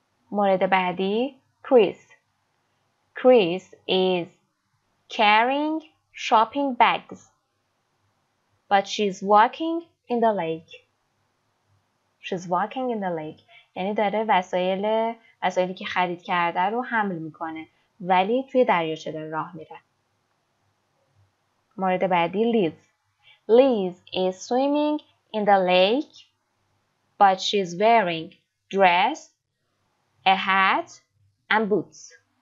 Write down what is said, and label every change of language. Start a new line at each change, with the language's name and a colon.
Persian: مورد بعدی،
English: Chris is carrying shopping bags, but she's walking in the lake.
Persian: یعنی داره وسایلی که خرید کرده رو حمل میکنه، ولی توی دریاچه داره راه میره. مورد بعدی،
English: Liz is swimming in the lake, but she's wearing dress, a hat, and boots.